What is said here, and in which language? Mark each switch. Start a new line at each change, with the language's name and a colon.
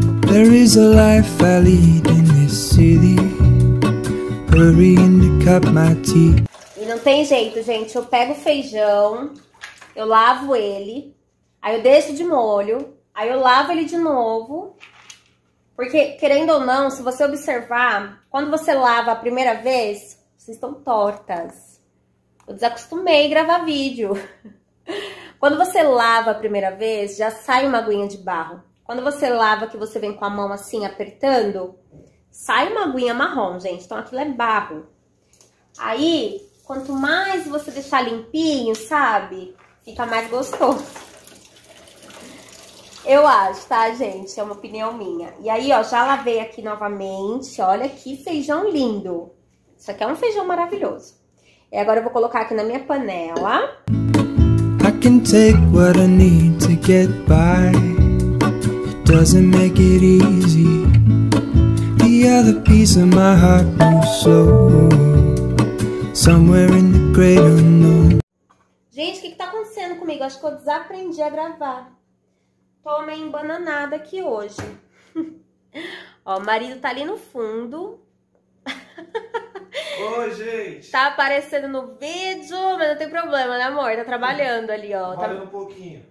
English: There is a life I lead in this city, hurrying to cut my teeth.
Portuguese: E não tem jeito, gente. Eu pego o feijão, eu lavo ele, aí eu deixo de molho, aí eu lavo ele de novo. Porque, querendo ou não, se você observar, quando você lava a primeira vez, vocês estão tortas. Eu desacostumei gravar vídeo. Quando você lava a primeira vez, já sai uma aguinha de barro. Quando você lava, que você vem com a mão assim apertando, sai uma aguinha marrom, gente. Então aquilo é barro. Aí, quanto mais você deixar limpinho, sabe? Fica mais gostoso. Eu acho, tá, gente? É uma opinião minha. E aí, ó, já lavei aqui novamente. Olha que feijão lindo. Isso aqui é um feijão maravilhoso. E agora eu vou colocar aqui na minha panela.
English: I can take what I need to get by. Doesn't make it easy. The other piece of my heart moves slow. Somewhere in the great unknown.
Portuguese: Gente, o que que tá acontecendo comigo? Acho que eu desaprendi a gravar. Tô meio embananada aqui hoje. Ó, o marido tá ali no fundo. Oi, gente. Tá aparecendo no vídeo, mas não tem problema, né, amor? Tá trabalhando ali, ó. Tá... Valeu um pouquinho.